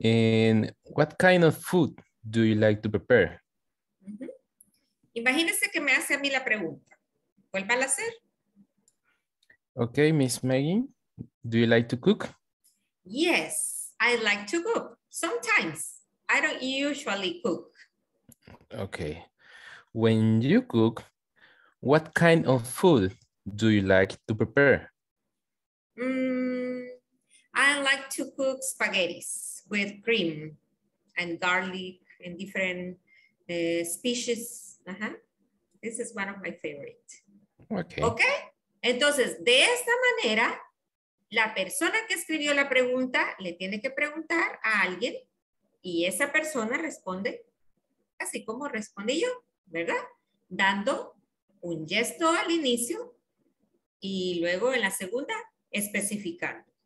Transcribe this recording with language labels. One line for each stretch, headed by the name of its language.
English: And what kind of food do you like to prepare? Uh-huh.
Spanish: Imagínese que me hace a mí la pregunta. Vuelva a hacer.
English: Ok, Miss Maggie, do you like to cook? Yes, I like to cook. Sometimes, I don't usually cook. Ok. When you cook, what kind of food do you like to prepare? I like to cook spaghettis with cream and garlic and different species. Uh-huh. This is one of my favorite. Okay. Okay.
Spanish: Entonces, de esta manera, la persona que escribió la pregunta le tiene que preguntar a alguien y esa persona responde así como respondí yo. ¿Verdad? Dando un gesto al inicio y luego en la segunda especificando.